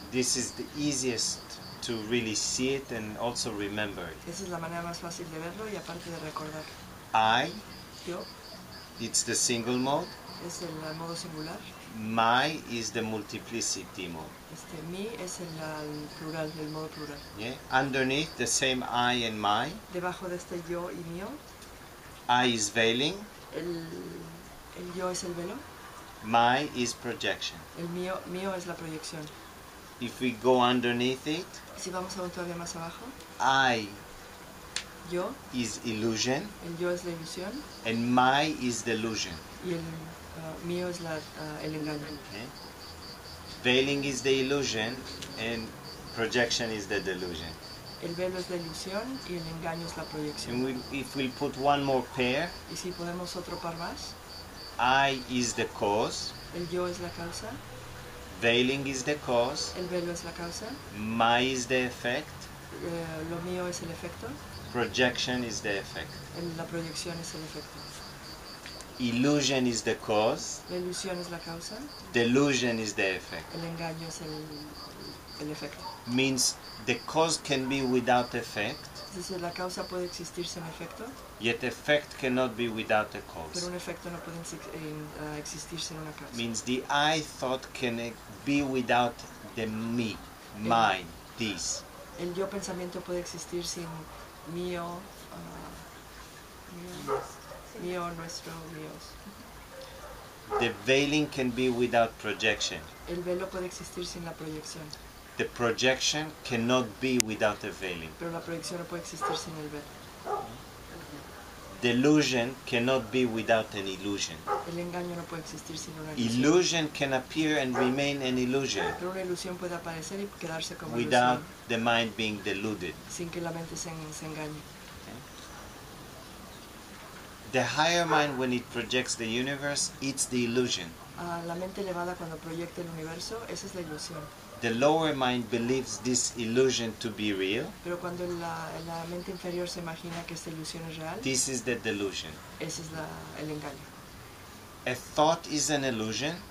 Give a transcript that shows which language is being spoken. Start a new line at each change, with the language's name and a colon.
English: This is the easiest to really see it and also remember it.
Spanish: Esa es la manera más fácil de verlo y aparte de recordar.
English: I.
Spanish: Yo.
English: It's the single mode.
Spanish: Es el modo singular.
English: My is the multiplicity mode.
Spanish: Mi es el plural, el modo plural.
English: Yeah. Underneath the same I and my.
Spanish: Debajo de este yo y mío.
English: I is veiling.
Spanish: El yo es el velo.
English: My is projection.
Spanish: El mío es la proyección.
English: If we go underneath it.
Spanish: Si vamos a todavía más abajo.
English: I.
Spanish: Yo.
English: Is illusion.
Spanish: El yo es la ilusión.
English: And my is delusion.
Spanish: Y el mío es el engaño.
English: Okay. Veiling is the illusion and projection is the delusion.
Spanish: El velo es la ilusión y el engaño es la proyección.
English: If we put one more pair.
Spanish: ¿Y si ponemos otro par más?
English: I is the cause.
Spanish: El yo es la causa.
English: Veiling is the cause.
Spanish: El velo es la causa.
English: My is the effect.
Spanish: Lo mío es el efecto.
English: Projection is the effect.
Spanish: La proyección es el efecto.
English: Illusion is the cause.
Spanish: La ilusión es la causa.
English: Delusion is the effect.
Spanish: El engaño es el efecto.
English: Means the cause can be without effect.
Spanish: Entonces, la causa puede existir sin efecto.
English: Yet effect cannot be without a cause.
Spanish: Pero un efecto no puede existir sin una causa.
English: Means the I thought can be without the me, mine, this.
Spanish: El yo pensamiento puede existir sin mío. Mío, nuestro, míos.
English: The veiling can be without projection.
Spanish: El velo puede existir sin la proyección.
English: The projection cannot be without a veiling.
Spanish: Pero la proyección no puede existir sin el velo.
English: Delusion cannot be without an illusion.
Spanish: El engaño no puede existir sin una ilusión.
English: Illusion can appear and remain an illusion.
Spanish: Pero una ilusión puede aparecer y quedarse como
English: without
Spanish: ilusión.
English: The mind being deluded.
Spanish: Sin que la mente se engañe.
English: The higher mind, when it projects the universe, it's the illusion.
Spanish: La mente elevada cuando proyecta el universo, esa es la ilusión.
English: The lower mind believes this illusion to be real.
Spanish: Pero cuando la mente inferior se imagina que esta ilusión es real.
English: This is the delusion.
Spanish: Ese es el engaño.
English: A thought is an illusion.